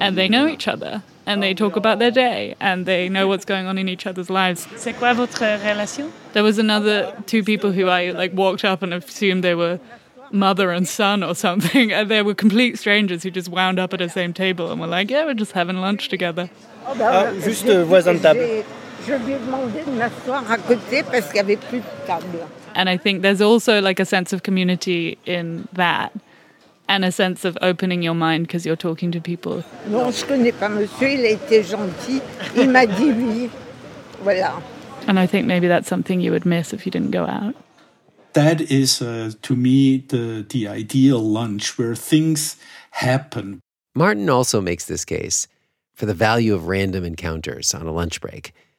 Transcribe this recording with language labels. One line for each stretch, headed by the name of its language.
English: And they know each other and they talk about their day and they know what's going on in each other's lives.
French: C'est quoi votre relation?
English: There was another two people who I like walked up and assumed they were mother and son or something, and they were complete strangers who just wound up at the same table and were like, yeah, we're just having lunch together.
French: Juste voisin de table. Je lui ai demandé de m'asseoir à côté parce qu'il n'y avait plus de table.
English: And I think there's also like a sense of community in that and a sense of opening your mind because you're talking to people.
French: Non, je connais pas monsieur, il a été gentil. Il m'a dit oui. Voilà.
English: And I think maybe that's something you would miss if you didn't go out. That is, to me, the ideal lunch where things happen. Martin also makes this case for the value of random encounters on a lunch break.